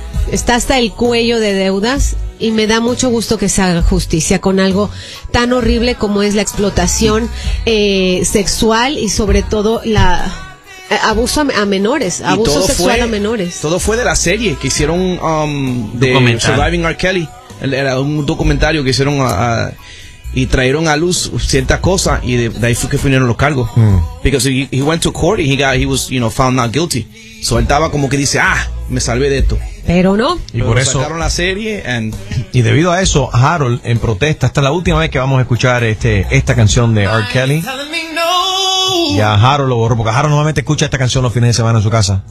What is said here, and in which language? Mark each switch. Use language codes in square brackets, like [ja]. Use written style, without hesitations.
[es] Está hasta el cuello de deudas y me da mucho gusto que se haga justicia con algo tan horrible como es la explotación sexual y sobre todo la abuso a menores, y abuso sexual a menores. Todo fue de la serie que hicieron de Surviving R. Kelly, era un documentario que hicieron y trajeron a luz ciertas cosas y de ahí fue que vinieron los cargos. [en] Because he went to court and he was found not guilty. [es] So él estaba como que dice, me salvé de esto. Pero no. Y por eso sacaron la serie. Y debido a eso, Harold, en protesta, esta es la última vez que vamos a escuchar esta canción de R. Kelly. Y a Harold lo borró, porque Harold normalmente escucha esta canción los fines de semana en su casa.